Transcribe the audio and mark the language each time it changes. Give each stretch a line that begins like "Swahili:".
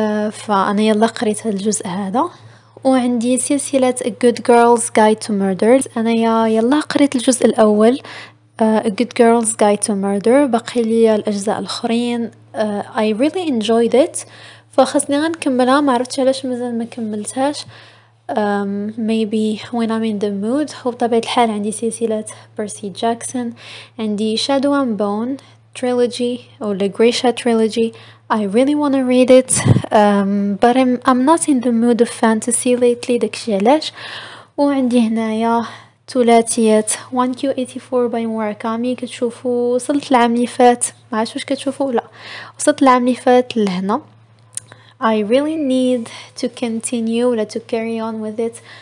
Arabic: فانا يلا قريت الجزء هذا، وعندي سلسلة A Good Girl's Guide to Murder، أنا يلا قريت الجزء الأول A Good Girl's Guide to Murder، بقي لي الأجزاء الأخرين
English: I really enjoyed it،
Arabic: فخصني غنكملها، ما عرفتش علاش مازال ما كملتهاش.
English: Maybe when I'm in the mood.
Arabic: وبطبيعة الحال عندي سلسلة
English: Percy Jackson،
Arabic: عندي
English: Shadow and Bone Trilogy أو The Grisha Trilogy، I really want to read it but I'm not in the mood of fantasy lately.
Arabic: داكشي علاش. وعندي هنايا ثلاثيات 1Q84 by Murakami، كتشوفوا وصلت العام اللي فات، معرفتش واش كتشوفوا، لا وصلت العام اللي فات لهنا.
English: I really need to continue
Arabic: ولا
English: to carry on with it.